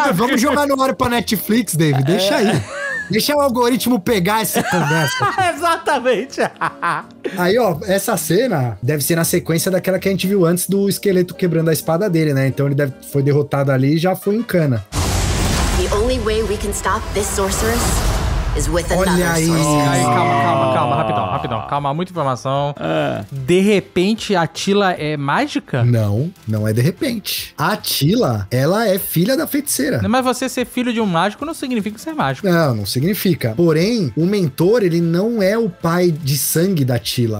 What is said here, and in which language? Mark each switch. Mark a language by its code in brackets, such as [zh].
[pt] Vamos jogar no ar pra Netflix, David, deixa aí. Deixa o algoritmo pegar essa conversa. Exatamente. Aí, ó, essa cena deve ser na sequência daquela que a gente viu antes do esqueleto quebrando a espada dele, né? Então ele foi derrotado ali e já foi em cana. [en] The only way we can stop this sorceress is with another. [pt] Olha aí. Calma, rapidão. Calma, muita informação. De repente, a Tila é mágica? Não é de repente. A Tila, ela é filha da feiticeira. Mas você ser filho de um mágico não significa ser mágico. Não significa. Porém, o mentor, ele não é o pai de sangue da Tila.